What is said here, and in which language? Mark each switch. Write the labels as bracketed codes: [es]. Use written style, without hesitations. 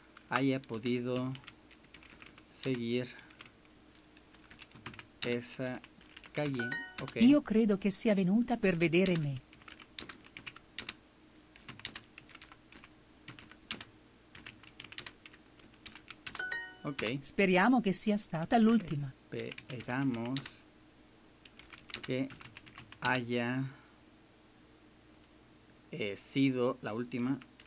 [es] Haya podido seguir esa calle. Okay. [it] Io credo che sia venuta per vedere me. [es] Ok. [it] Speriamo che sia stata l'ultima. [es] Esperamos que haya sido la última.